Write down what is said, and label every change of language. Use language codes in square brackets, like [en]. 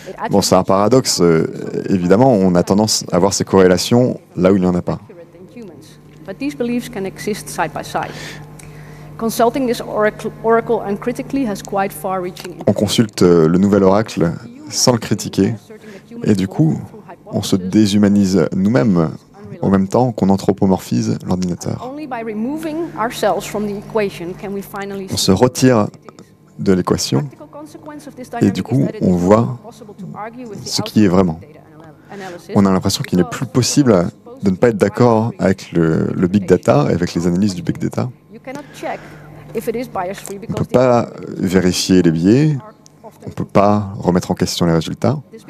[fr] Bon, c'est un paradoxe. Évidemment, on a tendance à voir ces corrélations là où il n'y en a pas. [en] But these beliefs can exist side by side. Consulting this oracle uncritically has quite far-reaching. [fr] On consulte le nouvel oracle sans le critiquer, et du coup, on se déshumanise nous-mêmes en même temps qu'on anthropomorphise l'ordinateur. [en] Only by removing ourselves from the equation can we finally. [fr] On se retire de l'équation, et du coup, on voit ce qui est vraiment. On a l'impression qu'il n'est plus possible de ne pas être d'accord avec le big data et avec les analyses du big data. On ne peut pas vérifier les biais, on ne peut pas remettre en question les résultats.